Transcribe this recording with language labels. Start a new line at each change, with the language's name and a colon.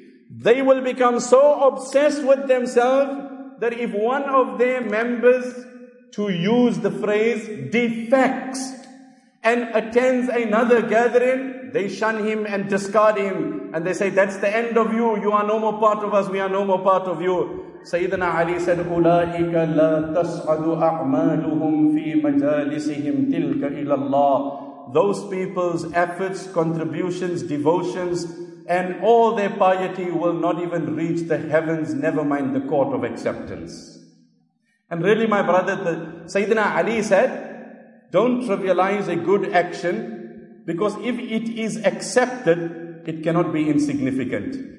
English: They will become so obsessed with themselves that if one of their members, to use the phrase, defects and attends another gathering, they shun him and discard him. And they say, that's the end of you. You are no more part of us. We are no more part of you. Sayyidina Ali said,
Arabic: أُولَٰئِكَ لَا تَصْعَدُ أَعْمَالُهُمْ فِي مَجَالِسِهِمْ تِلْكَ إِلَى اللَّهِ.
English: Those people's efforts, contributions, devotions, and all their piety will not even reach the heavens, never mind the court of acceptance. And really, my brother, Sayyidina Ali said, don't trivialize a good action, because if it is accepted, it cannot be insignificant.